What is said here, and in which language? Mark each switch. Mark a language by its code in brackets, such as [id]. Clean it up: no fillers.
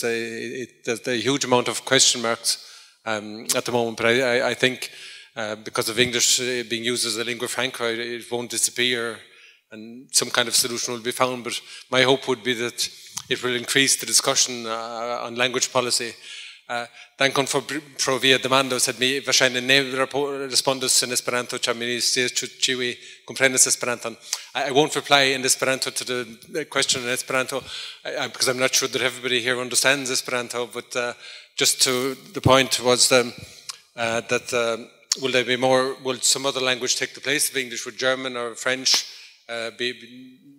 [en] There's a huge amount of question marks at the moment, but I think because of English being used as a lingua franca, it won't disappear and some kind of solution will be found. But my hope would be that it will increase the discussion on language policy. [eo] Dankon pro via demando, sed mi verŝajne ne respondos en Esperanto, ĉar mi scias ĉu ĉiuj komprenas Esperanton. [en] I won't reply in Esperanto to the question in Esperanto, because I'm not sure that everybody here understands Esperanto, but just to the point was that will there be more? Will some other language take the place of English? Would German or French be?